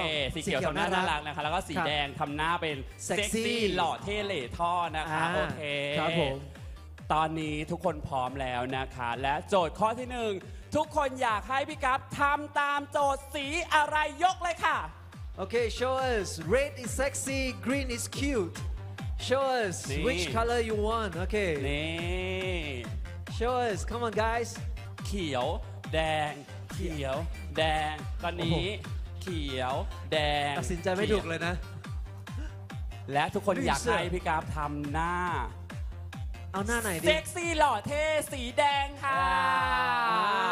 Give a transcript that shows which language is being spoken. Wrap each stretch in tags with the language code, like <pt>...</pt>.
<th>โอเคสีเขียวทำหน้าน่ารักนะคะแล้วก็สีแดงทำหน้าเป็นเซ็กซี่หล่อเท่เหล่ท่อนะคะโอเค ครับผม ตอนนี้ทุกคนพร้อมแล้วนะคะและโจทย์ข้อที่หนึ่งทุกคนอยากให้พี่กัฟทำตามโจทย์สีอะไรยกเลยค่ะ</th> <en>โอเค show us red is sexy green is cute show us which color you want okay</en> <th>นี่</th> <en>show us come on guys</en> <th>เขียวแดงเขียวแดงตอนนี้เขียวแดง ตัดสินใจไม่ถูกเลยนะ และทุกคนอยากให้พี่กัฟทำหน้า เอาหน้าไหนดิเซ็กซี่หล่อเท่สีแดงค่ะ</th>